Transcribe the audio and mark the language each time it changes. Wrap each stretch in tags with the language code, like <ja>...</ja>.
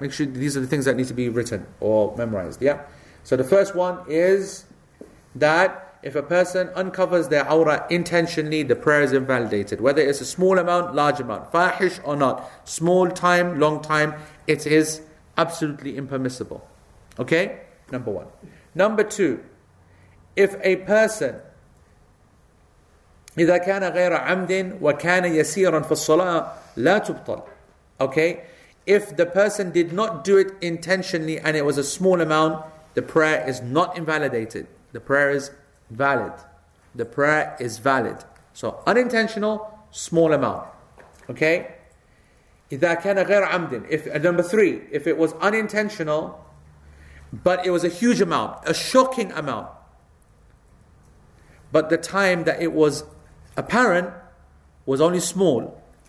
<en>Make sure these are the things that need to be written or memorized. Yeah? So the first one is that if a person uncovers their aura intentionally, the prayer is invalidated. Whether it's a small amount, large amount, fahish or not, small time, long time, it is absolutely impermissible. Okay? Number one. Number two, if a person,</en> <ar>إذا كان غير عمد وكان يسيرا في الصلاة لا تبطل.</ar> <en>Okay? If the person did not do it intentionally and it was a small amount, the prayer is not invalidated. The prayer is valid. The prayer is valid. So unintentional, small amount. Okay?</en> <ar>إِذَا كَانَ غَيْرَ عَمْدٍ</ar> <en>Number three, if it was unintentional, but it was a huge amount, a shocking amount, but the time that it was apparent was only small.</en>